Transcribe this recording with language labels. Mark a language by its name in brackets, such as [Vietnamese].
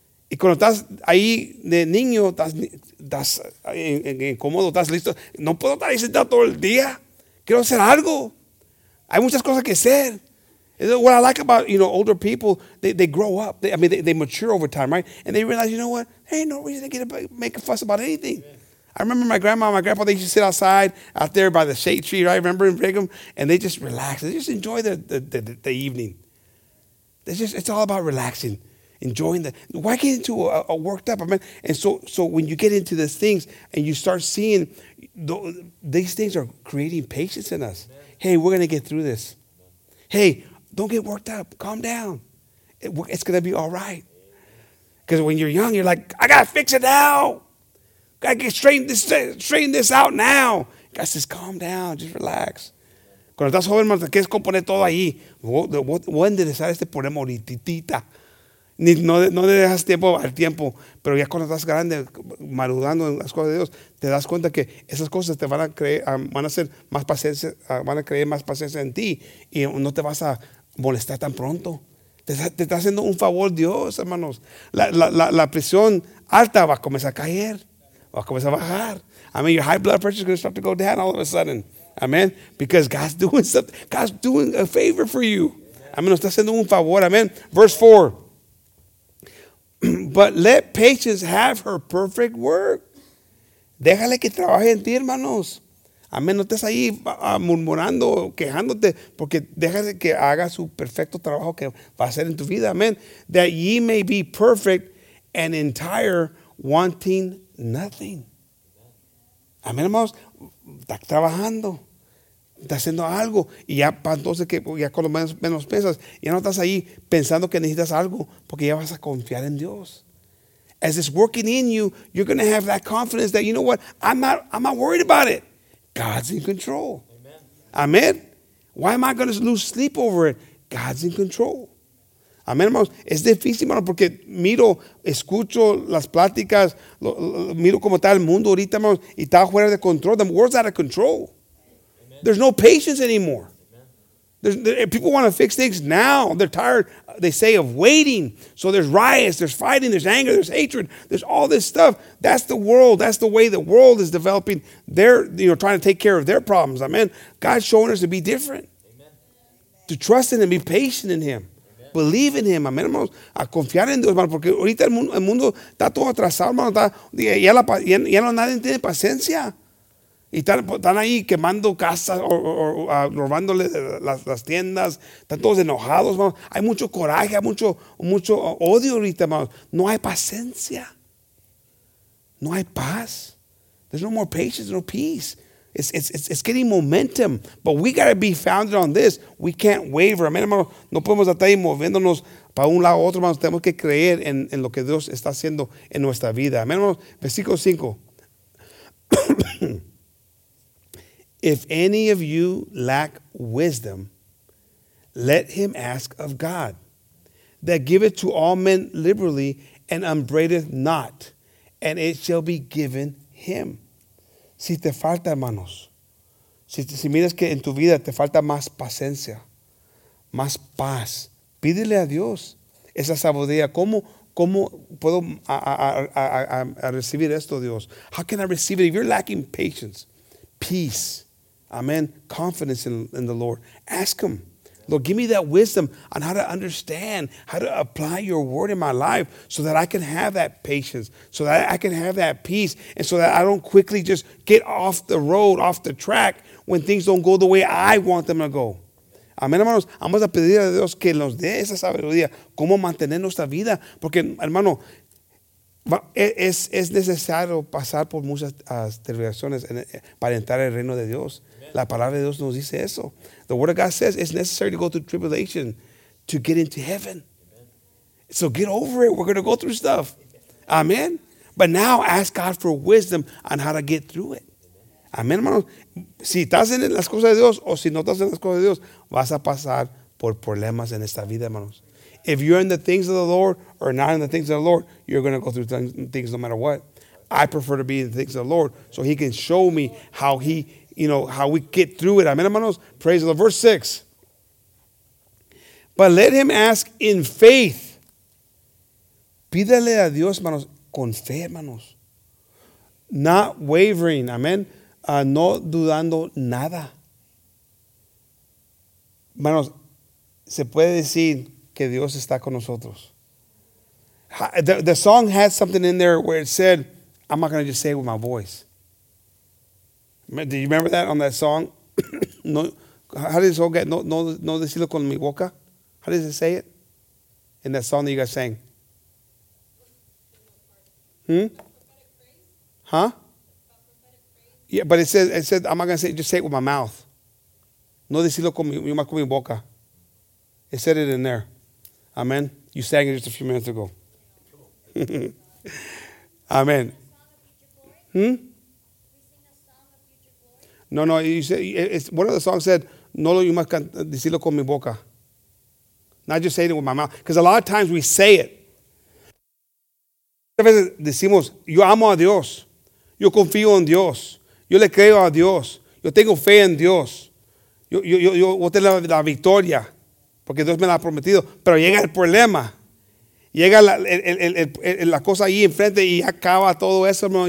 [Spanish] Y cuando estás ahí de niño, estás incómodo, estás listo. No puedo estar ahí sentado todo el día. Quiero hacer algo. Hay muchas cosas que hacer. [English] What I like about, you know, older people, they grow up. They mature over time, right? And they realize, you know what? Hey, no reason to make a fuss about anything. Amen. I remember my grandma and my grandpa, they used to sit outside out there by the shade tree, right? Remember in Brigham? And they just relax. They just enjoy the evening. It's all about relaxing, enjoying the. Why get into a worked up? I mean, and so when you get into these things and you start seeing, these things are creating patience in us. Amen. Hey, we're going to get through this. Hey, don't get worked up. Calm down. It's going to be all right. Because when you're young, you're like, I got to fix it now. I can straighten this out now. God says, calm down, just relax. [Spanish] Cuando estás joven, hermano, te quieres componer todo ahí. Voy a enderezar este problema ahorita. No le dejas tiempo al tiempo. Pero ya cuando estás grande, madurando en las cosas de Dios, te das cuenta que esas cosas te van a creer, van a ser más paciencia, van a creer más paciencia en ti. Y no te vas a molestar tan pronto. Te está haciendo un favor Dios, hermanos. La presión alta va a comenzar a caer. Va a comenzar a bajar. [English] I mean, your high blood pressure is going to start to go down all of a sudden. Amen. Because God's doing something. God's doing a favor for you. [Spanish] Amen. Está haciendo un favor. Amen. [English] Verse 4. But let patience have her perfect work. [Spanish] Déjale que trabaje en ti, hermanos. Amén. No estés ahí murmurando, quejándote, porque déjale que haga su perfecto trabajo que va a hacer en tu vida. Amén. [English] That ye may be perfect and entire, wanting nothing. [Spanish] Amén, hermanos. Está trabajando. Está haciendo algo. Y ya para entonces, que ya con lo menos pesas, ya no estás ahí pensando que necesitas algo, porque ya vas a confiar en Dios. [English] As it's working in you, you're going to have that confidence that, you know what, I'm not worried about it. God's in control. Amen. Amen. Why am I going to lose sleep over it? God's in control. [Spanish] Amén, hermanos. Es difícil, hermano, porque miro, escucho las pláticas, miro cómo está el mundo ahorita, hermanos, y está fuera de control. [English] The world's out of control. There's no patience anymore. People want to fix things now. They're tired, they say, of waiting. So there's riots, there's fighting, there's anger, there's hatred, there's all this stuff. That's the world. That's the way the world is developing. They're, you know, trying to take care of their problems. Amen. God's showing us to be different. Amen. To trust in Him, be patient in Him. Amen. Believe in Him. [Spanish] Amen, hermanos. A confiar en Dios, hermano. Porque ahorita el mundo está todo atrasado, hermano. Ya nadie tiene paciencia. Y están ahí quemando casas robándole las tiendas. Están todos enojados, hermano. Hay mucho coraje, mucho odio ahorita, hermano. No hay paciencia. No hay paz. [English] There's no more patience, no peace. It's getting momentum. But we got to be founded on this. We can't waver. [Spanish] Amén, hermano. No podemos estar ahí moviéndonos para un lado u otro, hermano. Tenemos que creer en lo que Dios está haciendo en nuestra vida. Amén, hermano. Versículo 5. [English] If any of you lack wisdom, let him ask of God, that giveth to all men liberally and upbraideth not, and it shall be given him. [Spanish] Si te falta, hermanos, si miras que en tu vida te falta más paciencia, más paz, pídele a Dios esa sabiduría. ¿Cómo puedo a recibir esto, Dios? [English] How can I receive it? If you're lacking patience, peace, amen, confidence in the Lord, ask Him. Lord, give me that wisdom on how to understand, how to apply your word in my life so that I can have that patience, so that I can have that peace, and so that I don't quickly just get off the road, off the track, when things don't go the way I want them to go. [Spanish] Amén, hermanos. Vamos a pedir a Dios que nos dé esa sabiduría, cómo mantener nuestra vida. Porque, hermano, es necesario pasar por muchas tribulaciones para entrar al reino de Dios. La palabra de Dios nos dice eso. [English] The word of God says it's necessary to go through tribulation to get into heaven. Amen. So get over it. We're going to go through stuff. Amen. But now ask God for wisdom on how to get through it. [Spanish] Amen, hermanos. Si estás en las cosas de Dios o si no estás en las cosas de Dios, vas a pasar por problemas en esta vida, hermanos. [English] If you're in the things of the Lord or not in the things of the Lord, you're going to go through things no matter what. I prefer to be in the things of the Lord so He can show me how He, you know, how we get through it. [Spanish] Amen, hermanos. [English] Praise the Lord. Verse 6. But let him ask in faith. [Spanish] Pídale a Dios, hermanos, con fe, hermanos. [English] Not wavering. [Spanish] Amen. No dudando nada. Hermanos, se puede decir que Dios está con nosotros. [English] The song had something in there where it said, I'm not going to just say it with my voice. Do you remember that on that song? No, how does it all get? [Spanish] No decirlo con mi boca. [English] How does it say it? In that song that you guys sang. Huh? Yeah, but it said I'm not going to say it. Just say it with my mouth. [Spanish] No decirlo con mi boca. [English] It said it in there. Amen. You sang it just a few minutes ago. Amen. No, you said, it's, one of the songs said, No, you must [Spanish] decirlo con mi boca. [English] Not just saying it with my mouth. Because a lot of times we say it. [Spanish] A veces decimos, yo amo a Dios. Yo confío en Dios. Yo le creo a Dios. Yo tengo fe en Dios. Yo voy a tener la victoria. Porque Dios me la ha prometido. Pero llega el problema. Llega la cosa ahí enfrente y acaba todo eso, hermano.